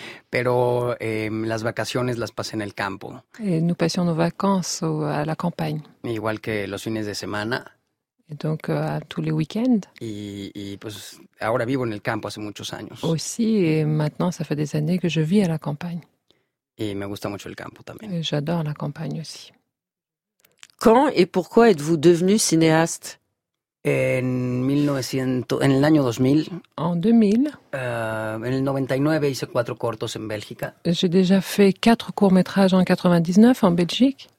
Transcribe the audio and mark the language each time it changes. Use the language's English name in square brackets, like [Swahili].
[Spanish] Pero las vacaciones las pasé en el campo. [French] Et nous passions nos vacances à la campagne. [Spanish] Igual que los fines de semana. [French] Et donc tous les week-ends. [Spanish] Y pues ahora vivo en el campo hace muchos años. [French] Aussi, et maintenant ça fait des années que je vis à la campagne. [Spanish] Y me gusta mucho el campo también. [French] Et j'adore la campagne aussi. Quand et pourquoi êtes-vous devenu cinéaste? [Spanish] En el año 2000. [French] En 2000. [Spanish] En el 99 hice cuatro cortos en Bélgica. [French] J'ai déjà fait quatre courts-métrages en 99 en Belgique.